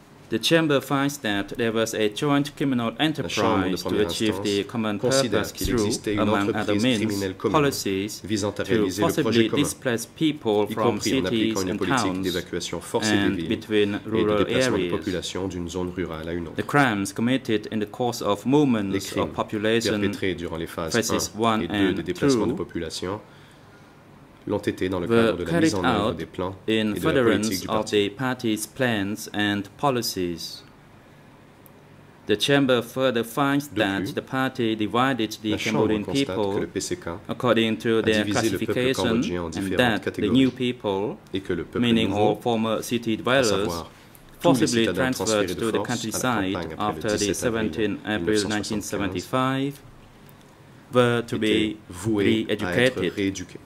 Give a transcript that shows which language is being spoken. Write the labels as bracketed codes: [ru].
[en] The chamber finds that there was a joint criminal enterprise to achieve the common purpose through, among other means, policies to possibly displace people from cities and towns and between rural areas. The crimes committed in the course of movements of population phases 1 and 2 [fr] l'ont été dans le cadre de la mise en œuvre des plans et de la politique du parti. [en] The party's plans and policies. The chamber further finds that the party divided the Cambodian people according to their classification and that the new people, meaning all former city dwellers, possibly transferred to the countryside after the 17 April 1975, were to be re-educated.